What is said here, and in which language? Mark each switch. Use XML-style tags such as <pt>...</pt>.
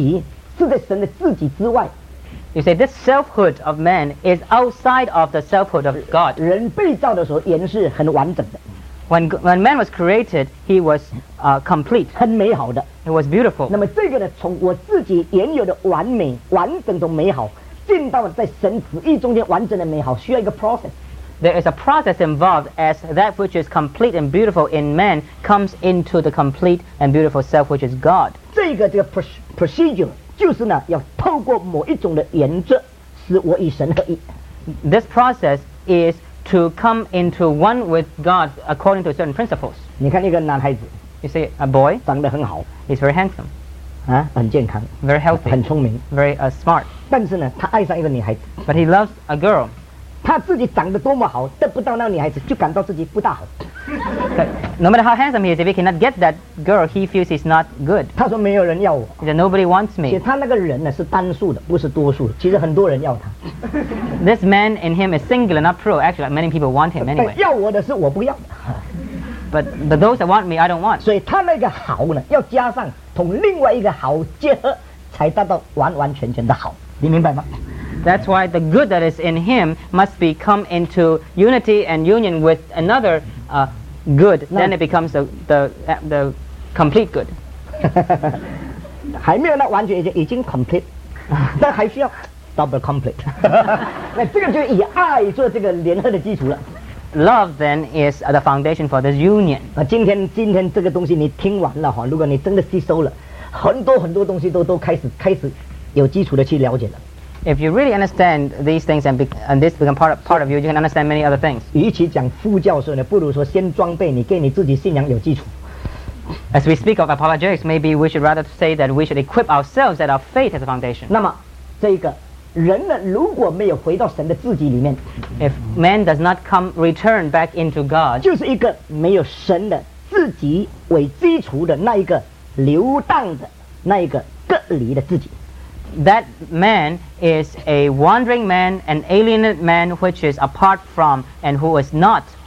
<zh>你说这个己啊，神造的这个己是在神的自己之外。</zh> <en>You say this selfhood of man is outside of the selfhood of God.</en> <zh>人被造的时候原是很完整的。</zh> <en>When man was created, he was complete.</en> <zh>很美好的。</zh> <en>It was beautiful.</en> <zh>那么这个呢，从我自己原有的完美、完整的美好。进到在神旨意中间完整的美好，需要一个process.</zh> <en>There is a process involved as that which is complete and beautiful in man comes into the complete and beautiful self, which is God.</en> <zh>这个 procedure 就是呢，要透过某一种的原则，使我与神合一.</zh> <en>This process is to come into one with God according to certain principles.</en> <zh>你看一个男孩子，</zh> <en>you see a boy,</en> <zh>长得很好，</zh> <en>he's very handsome.</en> <zh>很健康,</zh> <en>very healthy,</en> <zh>很聪明,</zh> <en>very smart.</en> <zh>但是呢, 他爱上一个女孩子,</zh> <en>but he loves a girl.</en> <zh>他自己长得多么好, 得不到那个女孩子, 就感到自己不大好。</zh> <en>No matter how handsome he is, if he cannot get that girl, he feels he's not good.</en> <zh>他说没有人要我,</zh> <en>he said, nobody wants me.</en> <zh>其实他那个人呢, 是单数的, 不是多数的, 其实很多人要他。</zh> <en>This man in him is singular, not plural. Actually, many people want him anyway.</en> <zh>要我的是, 我不要。</zh> <en>But those that want me, I don't want.</en> <zh>所以他那个好呢, 要加上 同另外一个好结合，才达到完完全全的好，你明白吗？</zh> <en>That's why the good that is in him must become into unity and union with another good. Then it becomes the complete good.</en> <zh>还没有那完全已经 complete， 但还需要</zh> <en>double complete.</en> <zh>那这个就以爱做这个联合的基础了。</zh> <en>Love then is the foundation for this union.</en> <zh>今天这个东西你听完了哈， 如果你真的吸收了， 很多很多东西都开始有基础的去了解了。</zh> <en>If you really understand these things and this become part of you, you can understand many other things.</en> <zh>与其讲副教授呢， 不如说先装备你， 给你自己信仰有基础。</zh> <en>As we speak of apologetics, maybe we should rather say that we should equip ourselves that our faith has a foundation.</en> <zh>那么这个 人呢，如果没有回到神的自己里面，</zh> <en>if man does not come return back into God，</en> <zh>就是一个没有神的自己为基础的那一个流荡的那一个隔离的自己。</zh> <en>That man is a wandering man, an alienated man, which is apart from and who is not</en>